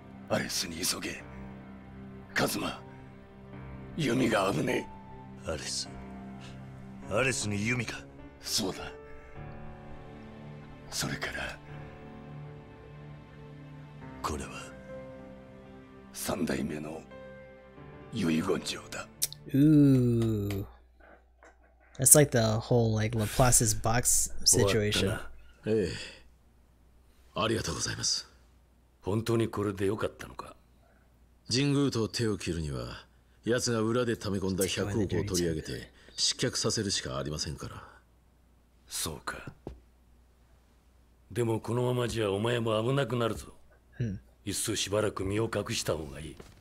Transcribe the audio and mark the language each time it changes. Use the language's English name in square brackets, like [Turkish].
[Japanese] アレスに急げ。カズマ、由美が危ねえ。アレスに由美か。そうだ。それからこれは三代目の遺言状だ。 Ooh. [English] It's like the whole like Laplace's box situation. Hey. [Japanese] ありがとうございます。本当にこれで良かったのか。神宮と手を切るには、奴が裏で溜め込んだ100億を取り上げて失脚させるしかありませんから。そうか。でもこのままじゃお前も危なくなるぞ。いっそしばらく身を隠した方がいい。